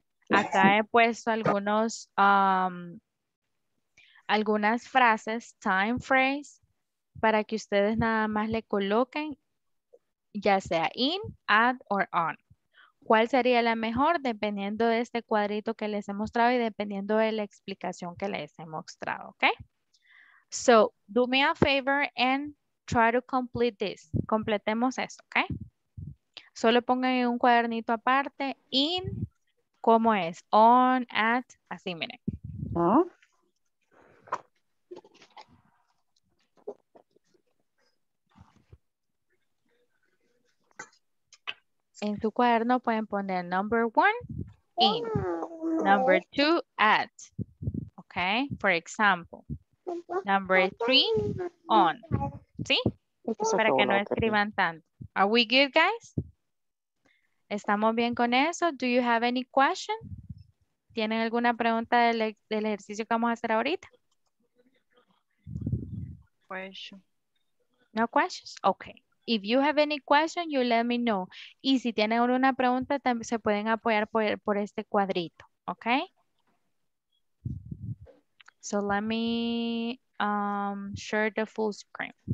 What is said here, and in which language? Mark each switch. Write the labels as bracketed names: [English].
[Spanish] Acá he puesto algunos algunas frases, time phrase, para que ustedes nada más le coloquen ya sea in, at, or on. ¿Cuál sería la mejor? Dependiendo de este cuadrito que les he mostrado y dependiendo de la explicación que les he mostrado, ¿ok? [English] So, do me a favor and try to complete this. [Spanish] Completemos esto, ¿ok? Solo pongan un cuadernito aparte. In, ¿cómo es? On, at, así, miren. ¿Ah? En tu cuaderno pueden poner [English] number one, in. Number two, at. ¿Ok? For example. Number three, on. [Spanish] ¿Sí? Para que no escriban tanto. [English] Are we good, guys? [Spanish] ¿Estamos bien con eso? [English] Do you have any question? [Spanish] ¿Tienen alguna pregunta del ejercicio que vamos a hacer ahorita? [English] Question. No questions? Okay. If you have any question, you let me know. [Spanish] Y si tienen alguna pregunta, también se pueden apoyar por este cuadrito. [English] Okay? So let me share the full screen.